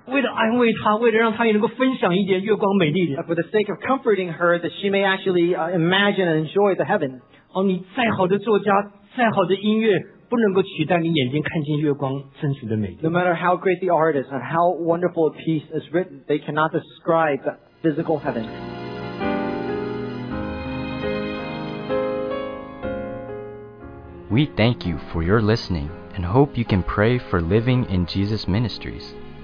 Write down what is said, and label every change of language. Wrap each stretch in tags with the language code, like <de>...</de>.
<zh>为了安慰她，为了让她也能够分享一点月光美丽的。</zh> <en>For the sake of comforting her, that she may actually imagine and enjoy the heaven.</en> <zh>哦，你再好的作家，再好的音乐。不能够取代你眼睛看见月光真实的美。</zh> <en>No matter how great the artist and how wonderful a piece is written, they cannot describe the physical heaven. We thank you for your listening and hope you can pray for Living in Jesus Ministries.</en>